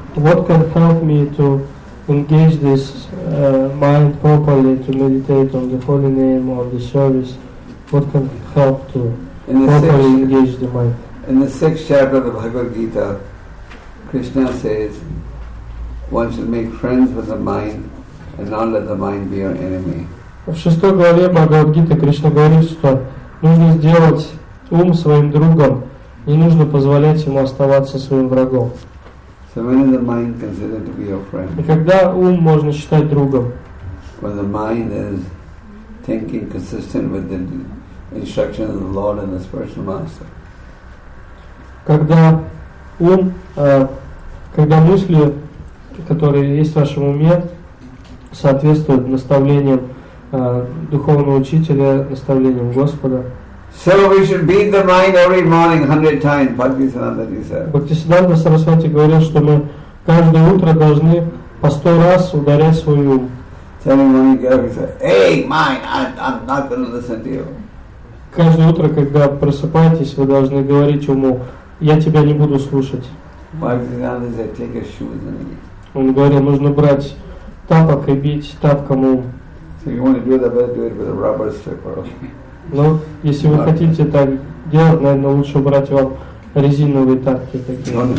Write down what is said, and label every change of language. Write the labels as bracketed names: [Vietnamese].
[English] what can help me to engage this mind properly, to meditate on the holy name or the service? What can help to properly engage the mind? In the sixth chapter of the Bhagavad Gita, Krishna says, one should make friends with the mind and not let the mind be your enemy. [Russian] В шестой главе Бхагавад Гиты Кришна говорит, что нужно сделать ум своим другом, не нужно позволять ему оставаться своим врагом. [English] So when is the mind considered to be your friend? [Russian] И когда ум можно считать другом? [English] When the mind is thinking consistent with the instructions of the Lord and the spiritual master. [Russian] Когда ум, когда мысли, которые есть в вашем уме, соответствуют наставлениям духовного учителя, наставлением Господа. [English] So we should beat the mind every morning 100 times, Bhaktisiddhanta said. [Russian] Бхактисиддханта Сарасвати говорил, что мы каждое утро должны по 100 раз ударять свой ум. [English] Telling when you get up, he said, hey, mind, I'm not going to listen to you. [Russian] Каждое утро, когда просыпаетесь, вы должны говорить уму, я тебя не буду слушать. [English] Бхактисиддханта said, take your shoes and eat. [Russian] Он говорил, нужно брать тапок и бить тапком ум. [English] If you want to do that, better do it with a rubber stripper. [Russian] Ну, если вы хотите так делать, наверное, лучше брать вам резиновые тапки такие.